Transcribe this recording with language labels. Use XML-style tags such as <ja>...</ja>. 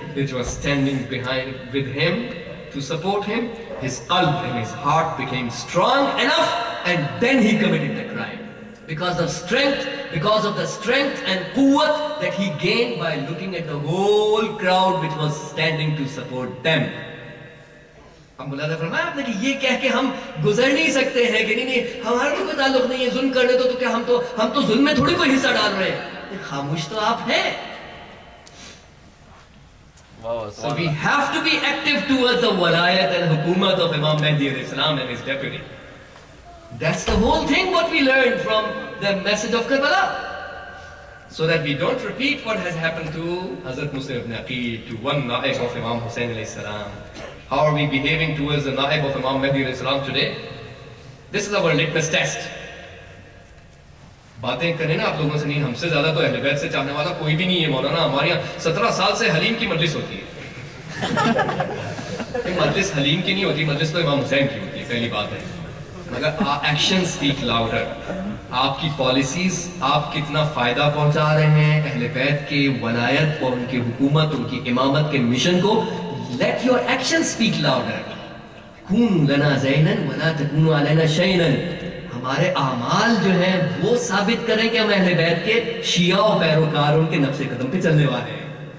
<en>which was standing behind with him to support him, his qalb and his heart became strong enough, and then he committed the crime. Because of the strength and quwwat that he gained by looking at the whole crowd which was standing to support them.</en> <ur>مولانا فرمایا آپ نے کہ یہ کہہ کے ہم گزر نہیں سکتے ہیں کہ نہیں ہمارا کوئی تعلق نہیں ہے ظلم کرنے تو کیا ہم تو ظلم میں تھوڑی کوئی حصہ ڈال رہے ہیں خاموش تو آپ ہیں</ur> <en>So we have to be active towards the walayat and hukumat of Imam Mahdi alayhi salam and his deputy. That's the whole thing what we learned from the message of Karbala. So that we don't repeat what has happened to Hazrat Musa ibn Aqil, to one na'ib of Imam Hussain alayhi salam. How are we behaving towards the na'ib of Imam Mahdi alayhi salam today? This is our litmus test.</en> <ur>باتیں کریں نا آپ لوگوں سے نہیں ہم سے زیادہ تو اہل بیت سے چاہنے والا کوئی بھی نہیں ہے مولانا ہمارے یہاں 17 سال سے حلیم کی مجلس ہوتی ہے مجلس حلیم کی نہیں ہوتی مجلس تو امام حسین کی ہوتی ہے پہلی بات ہے مگر</ur> <en>action speak louder</en> <ur>آپ کی پالیسیز آپ کتنا فائدہ پہنچا رہے ہیں اہل بیت کے ولایت اور ان کی حکومت ان کی امامت کے مشن کو</ur> <en>let your action speak louder</en> <ar>کون لنا زینن ولا تکون علینا شینن</ar> <ur>ہمارے اعمال جو ہیں وہ ثابت کریں کہ ہم اہل بیت کے شیعہ و پیروکار ان کے نفس قدم پہ چلنے والے ہیں</ur>